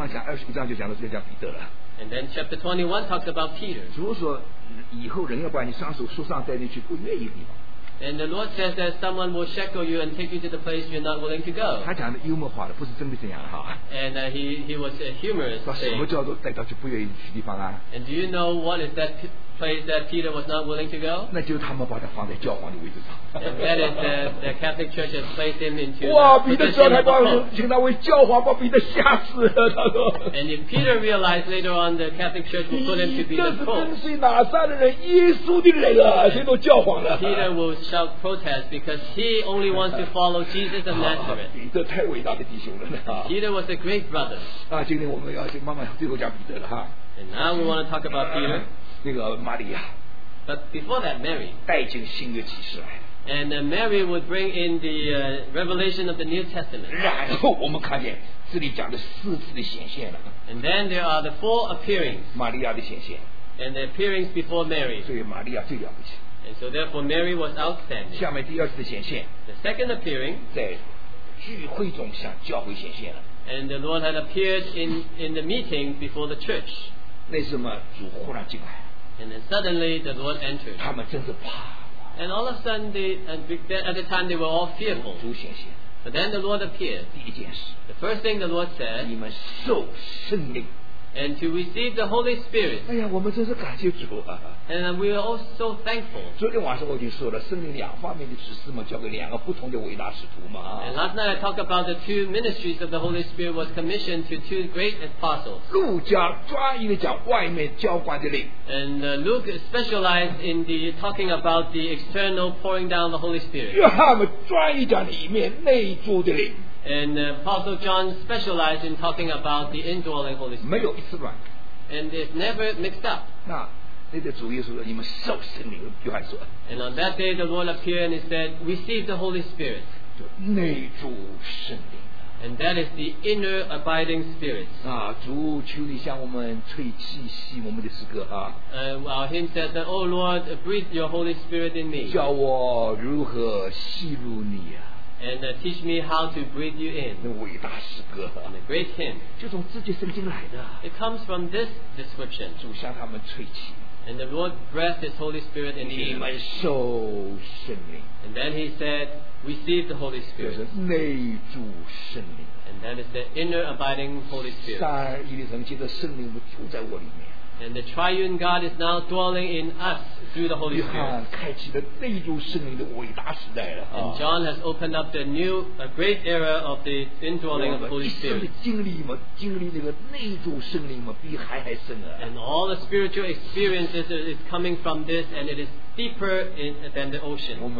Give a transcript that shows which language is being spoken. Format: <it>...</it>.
<zh>这个彼得我们慢慢讲，二十一章就讲到这个叫彼得了。</zh> <en>And then chapter 21 talks about Peter.</en> <zh>主说，以后人要把你双手束上带你去不愿意的地方。</zh> <en>And the Lord says that someone will shackle you and take you to the place you're not willing to go.</en> <zh>他讲的幽默化的, 不是真的这样的,</zh> <en>and he was a humorous thing. And do you know what is that place that Peter was not willing to go? And that is that the Catholic Church has placed him into</en> <zh>哇,</zh> <en>the position of the Pope. And if Peter realized later on the Catholic Church will put him to be the Pope,</en> <zh>耶稣的人来了,</zh> <en>Peter will shout protest because he only wants to follow Jesus of Nazareth.</en> <zh>彼得太伟大的弟兄了,</zh> <en>Peter was a great brother.</en> <zh>啊, 今天我们要去慢慢最后讲彼得了,</zh> <en>and now we want to talk about Peter.</en> <zh>那个玛利亚,</zh> <en>but before that, Mary</en> <zh>带进新的启示来了,</zh> <en>And Mary would bring in the revelation of the New Testament.</en> <zh>然后我们看见这里讲的四次的显现了。</zh> <en>And then there are the four appearings.</en> <zh>玛利亚的显现。</zh> <en>And the appearings before Mary.</en> <zh>所以玛利亚最了不起。</zh> <en>And so therefore Mary was outstanding.</en> <zh>下面第二次的显现。</zh> <en>The second appearing.</en> <zh>在聚会中向教会显现了。</zh> <en>And the Lord had appeared in the meeting before the church.</en> <zh>那时候嘛，主忽然进来。</zh> <en>And then suddenly the Lord entered.</en> <zh>他们真是怕。</zh> <en>And all of a sudden, at the time, they were all fearful.</en> <zh>主显现。</zh> <en>But then the Lord appeared.</en> <zh>第一件事。</zh> <en>The first thing the Lord said.</en> <zh>你们受圣灵。</zh> <en>And to receive the Holy Spirit.</en> <zh>哎呀，我们真是感谢主啊。</zh> <en>And we are all so thankful.</en> <zh>昨天晚上我已经说了，圣灵两方面的指示嘛，交给两个不同的伟大使徒嘛。</zh> <en>And last night I talked about the two ministries of the Holy Spirit was commissioned to two great apostles.</en> <zh>路加专一的讲外面浇灌的灵。</zh> <en>And Luke specialized in the talking about the external pouring down the Holy Spirit.</en> <zh>约翰嘛，专一讲里面内住的灵。</zh> <en>And Apostle John specialized in talking about the indwelling Holy Spirit.</en> <zh>没有一次乱。</zh> <en>And it's never mixed up.</en> <zh>那那个主耶稣说：“你们受圣灵。” 约翰说。</zh> <en>And on that day, the Lord appeared and he said, "Receive the Holy Spirit."</en> <zh>就内住圣灵。</zh> <en>And that is the inner abiding spirit.</en> <zh>啊，主求你向我们吹气息，我们的诗歌啊。</zh> <en>Our hymn says that, "Oh Lord, breathe Your Holy Spirit in me."</en> <zh>叫我如何吸入你啊？</zh> <en>And teach me how to breathe you in.</en> <zh>那伟大诗歌。</zh> <en>And a great hymn.</en> <zh>就从自己圣经来的。</zh> <en>It comes from this description.</en> <zh>主向他们吹气。</zh> <en>And the Lord breathed His Holy Spirit in them.</en> <zh>你们受圣灵。</zh> <en>And then He said, "Receive the Holy Spirit."</en> <zh>就是内住圣灵。</zh> <en>And that is the inner abiding Holy Spirit.</en> <zh>三而一的神，借着圣灵住在我里面。</zh> <en>And the triune God is now dwelling in us through the Holy Spirit. And John has opened up the new, a great era of the indwelling of the Holy Spirit. And all the spiritual experiences is coming from this, and it is deeper than the ocean.</en>